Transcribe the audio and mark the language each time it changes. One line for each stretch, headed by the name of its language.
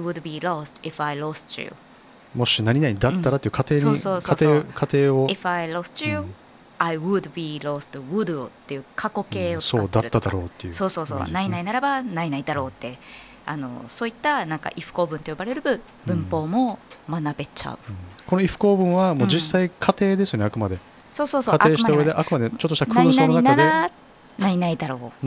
English: I would be lost if I lost you、
Japanese: もし何々だったらという仮定に、仮定を、
English: if I lost you、I would be lost would
Japanese: っていう過去形を使ってる、そうだっただろうっていう、そうそうそう、ね、何々ならば何々だろうって、そういったなんか if 構文と呼ばれる文法も学べちゃう。うん、この if 構文はもう実際仮定ですよね、あくまで。そうそうそう、仮定した上で、あくまでちょっとした空想の中で、何々なら何々だろう、